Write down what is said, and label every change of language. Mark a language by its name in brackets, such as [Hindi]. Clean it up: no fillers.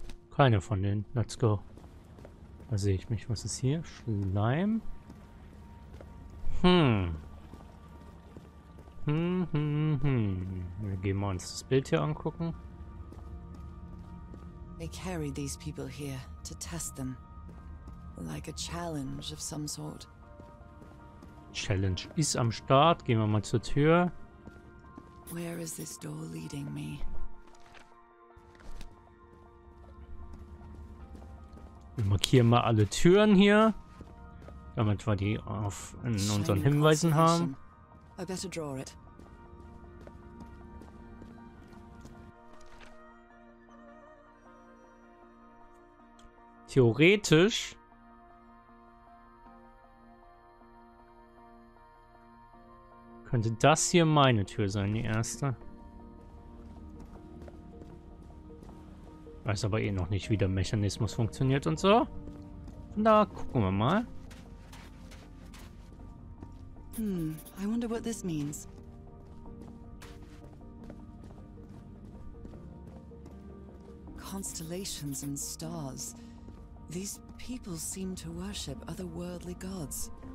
[German] Keine von denen. [English] Let's go. [German] Da sehe ich mich. Was ist hier? Schleim? Wir gehen mal uns das Bild hier angucken. [English] They carry these people here to test them. Like a challenge of some sort. [German] Challenge ist am Start. Gehen wir mal zur Tür. [English] Where is this door leading me? [German] Wir markieren mal alle Türen hier, damit wir die auf in unseren Hinweisen haben. [English] I better draw it. [German] Theoretisch. Könnte das hier meine Tür sein, die erste? Weiß aber eh noch nicht, wie der Mechanismus funktioniert und so. Von da gucken wir mal. [English] I wonder what this means. Constellations and stars. These people seem to worship otherworldly gods.